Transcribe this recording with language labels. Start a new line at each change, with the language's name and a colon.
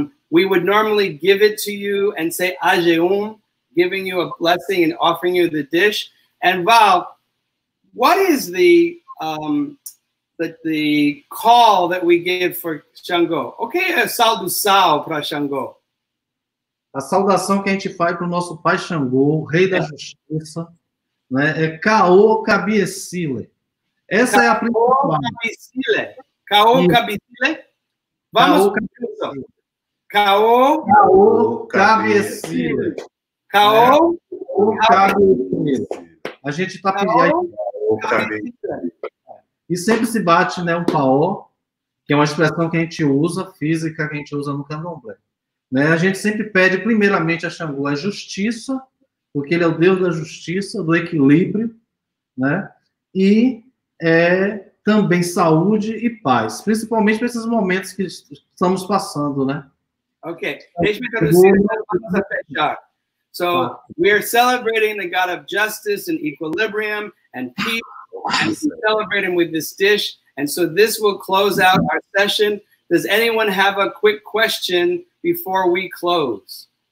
English: We would normally give it to you and say ajeum, giving you a blessing and offering you the dish. And Val, what is the call that we give for Xangô?
Portuguese: Okay, a saudação para Xangô. A saudação que a gente faz para o nosso pai Xangô, o rei da justiça, né? É
Yoruba: Kaô Kabiesile.
Portuguese: Essa é a principal.
Yoruba: Kaô Kabiesile. Kaô Kabiesile. Vamos. Kaô Kabiesile. Kaô Kabiesile. Kaô
Portuguese: Kabiesile. A gente está pedindo. E sempre se bate, né, um paó, que é uma expressão que a gente usa, física, que a gente usa no candomblé. Né, a gente sempre pede, primeiramente, a Xangô, a justiça, porque ele é o Deus da justiça, do equilíbrio, né, e também saúde e paz, principalmente para esses momentos que estamos passando. Né. Ok, deixa eu fechar.
English: So we are celebrating the god of justice and equilibrium and peace, and we celebrate him with this dish. And so this will close out our session. Does anyone have a quick question before we close?